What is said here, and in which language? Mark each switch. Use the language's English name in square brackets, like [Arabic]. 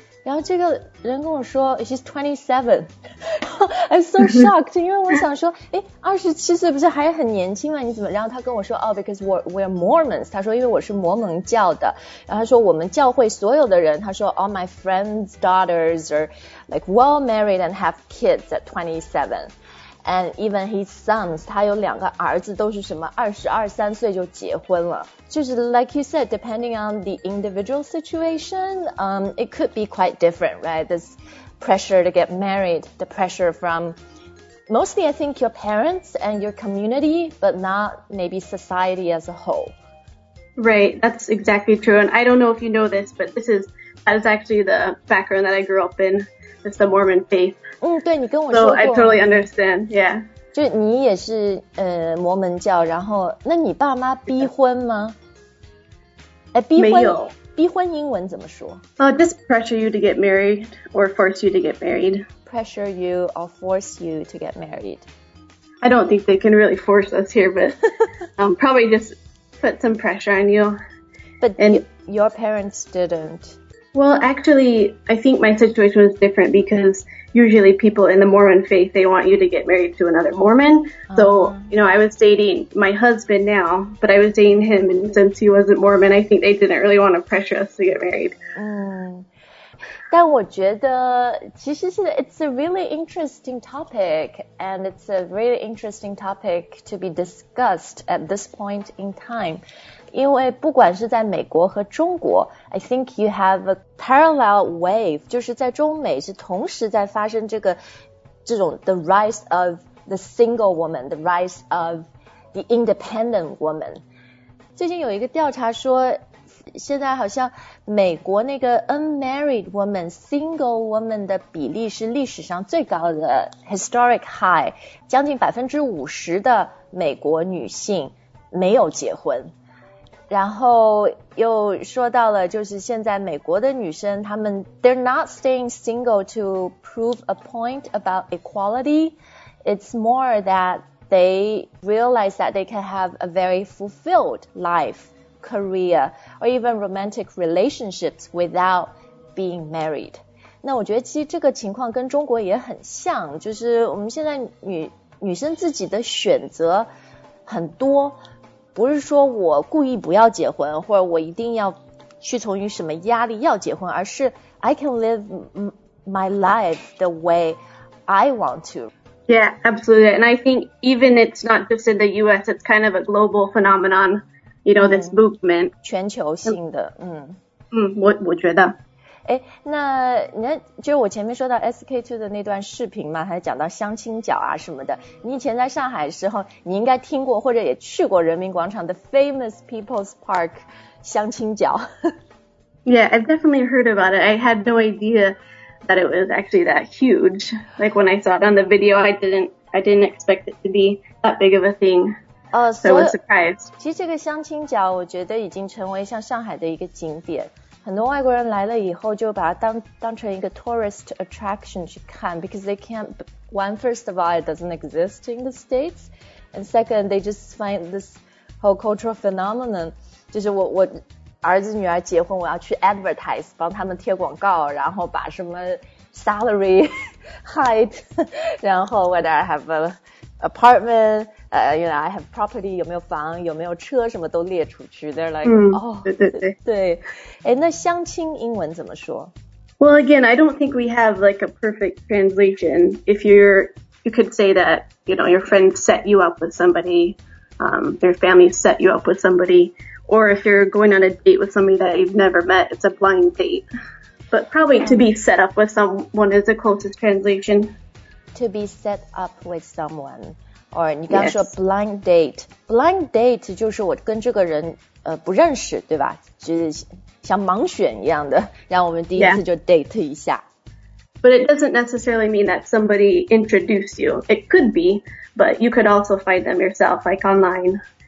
[Chinese] 然后这个人跟我说 ， [English] She's 27. I'm so shocked, [Chinese] 因为我想说，哎，27岁不是还很年轻吗？你怎么？然后他跟我说，哦 ， [English] because we're Mormons. [Chinese] 他说，因为我是摩门教的。然后他说，我们教会所有的人，他说 [English] ，all my friends' daughters are like well married and have kids at 27. And even his sons, [Chinese] 他有两个儿子都是什么22、23岁就结婚了。就是 [English] like you said, depending on the individual situation, it could be quite different, right? This pressure to get married, the pressure from mostly I think your parents and your community, but not maybe society as a whole. Right, that's exactly true. And I don't know if you know this, but that is actually the background that I grew up in. It's the Mormon faith. [Chinese] 嗯，对，你跟我说过。 [English] So I totally understand, yeah. [Chinese] 就你也是摩门教，然后那你爸妈逼婚吗？哎，逼婚没有，逼婚英文怎么说？ [English] Just pressure you to get married or force you to get married. Pressure you or force you to get married. I don't think they can really force us here, but probably just put some pressure on you. But your parents didn't. Well, actually, I think my situation was different because. Usually people in the Mormon faith, they want you to get married to another Mormon. So, you know, I was dating my husband now, but I was dating him. And since he wasn't Mormon, I think they didn't really want to pressure us to get married. [Chinese] 嗯，但我觉得其实是 [English] it's a really interesting topic. And it's a really interesting topic to be discussed at this point in time. [Chinese] 因为不管是在美国和中国 [English] I think you have a parallel wave, [Chinese] 就是在中美是同时在发生这个这种 [English] the rise of the single woman, the rise of the independent woman. [Chinese] 最近有一个调查说现在好像美国那个 unmarried woman, single woman 的比例是历史上最高的 [English] historic high, [Chinese] 将近 50% 的美国女性没有结婚。然后又说到了就是现在美国的女生她们 [English] they're not staying single to prove a point about equality. It's more that they realize that they can have a very fulfilled life, career, or even romantic relationships without being married. [Chinese] 那我觉得其实这个情况跟中国也很像就是我们现在 女生自己的选择很多不是说我故意不要结婚或者我一定要屈从于什么压力要结婚而是 [English] I can live my life the way I want to. Yeah, absolutely. And I think even it's not just in the US, it's kind of a global phenomenon, you know, this movement. [Chinese] 全球性的我觉得。诶那你看就是我前面说到 SK2 的那段视频嘛还讲到相亲角啊什么的你以前在上海的时候你应该听过或者也去过人民广场的 Famous People's Park 相亲角 [English] Yeah, I've definitely heard about it. I had no idea that it was actually that huge. Like when I saw it on the video, I didn't expect it to be that big of a thing. So I was surprised. [Chinese] 其实这个相亲角我觉得已经成为像上海的一个景点。很多外国人来了以后就把它 当成一个 [English] tourist attraction [Chinese] 去看 [English] because they can't, one, first of all, it doesn't exist in the States, and second, they just find this whole cultural phenomenon, [Chinese] 就是 我儿子女儿结婚我要去 [English] advertise, [Chinese] 帮他们贴广告然后把什么 [English] salary, height, 然后 whether I have an apartment,you know, I have property, [Chinese] 有没有房有没有车什么都列出去 [English] They're like, [Chinese] 对那相亲英文怎么说 [English] Well, again, I don't think we have like a perfect translation. If you could say that, you know, your friend set you up with somebody, their family set you up with somebody, or if you're going on a date with somebody that you've never met, it's a blind date. But probably to be set up with someone is the closest translation. To be set up with someone. Or [Chinese] 你刚说 [English] blind date、 yes. [Chinese] blind date 就是我跟这个人不认识对吧就是像盲选一样的让我们第一次就 date 一下、 [English] yeah. but it doesn't necessarily mean that somebody introduced you it could be but you could also find them yourself like online